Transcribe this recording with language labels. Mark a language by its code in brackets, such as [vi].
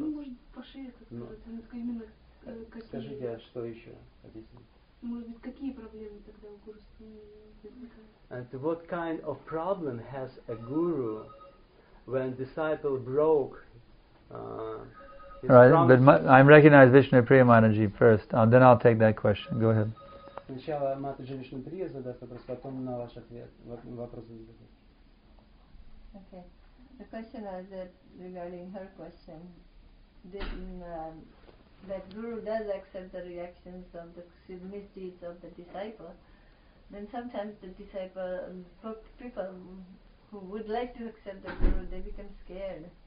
[ru] Ну, может, пошире как-то. Но. Именно, скажите, а что еще? Объясните. Может быть, какие проблемы тогда у гуру возникают? [en] And what kind of problem has a guru when disciple broke Right, but I'm recognized Vishnu Priya Mataji first, then I'll take that question. Go ahead. [ru] Сначала Матаджи Вишну Прия задаст вопрос, потом на ваш ответ, вопрос задаст. [en] Okay. The question is that regarding her question, that Guru does accept the reactions of the misdeeds of the disciple, then sometimes the disciple, people who would like to accept the Guru, they become scared.